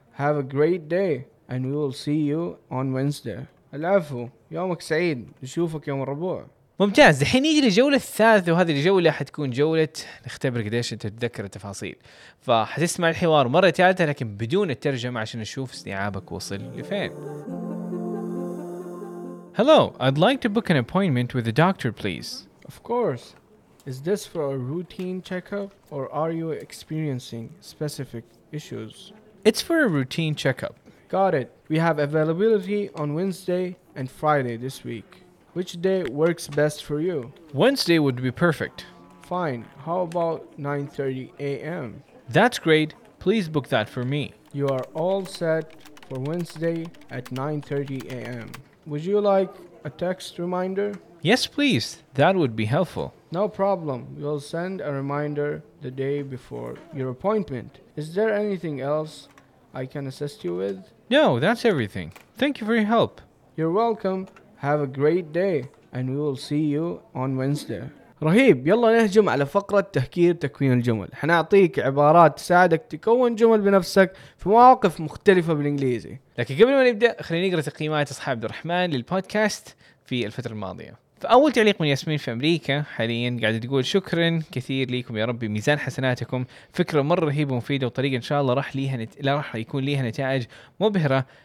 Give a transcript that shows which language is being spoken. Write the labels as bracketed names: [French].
[English] Have a great day and we will see you on Wednesday. [Arabic] العفو, يومك سعيد. نشوفك يوم الربوع. ممتاز. الحين نيجي للجولة الثالثة, وهذه الجولة حتكون جولة نختبر قديش انت تتذكر التفاصيل. فحتسمع الحوار مرة ثالثة لكن بدون الترجمة عشان نشوف استيعابك وصل لفين. [English] Hello, I'd like to book an appointment with the doctor, please. Of course. Is this for a routine checkup or are you experiencing specific issues? It's for a routine checkup. Got it. We have availability on Wednesday and Friday this week. Which day works best for you? Wednesday would be perfect. Fine. How about 9:30 a.m.? That's great. Please book that for me. You are all set for Wednesday at 9:30 a.m. Would you like a text reminder? Yes, please. That would be helpful. No problem. We'll send a reminder the day before your appointment. Is there anything else I can assist you with? No, that's everything. Thank you for your help. You're welcome. Have a great day and we will see you on Wednesday. [Arabic] رهيب. يلا نهجم على فقرة تهكير تكوين الجمل. حنعطيك عبارات تساعدك تكون جمل بنفسك في مواقف مختلفة بالإنجليزي. لكن قبل ما نبدأ خلينا نقرأ تقييمات أصحاب عبد الرحمن للبودكاست في الفترة الماضية. فأول تعليق من ياسمين في أمريكا حاليا قاعدة تقول شكرا كثير ليكم يا رب بميزان حسناتكم, فكرة مرة رهيبة ومفيدة وطريقة إن شاء الله راح يكون ليها نتائج مبهرة.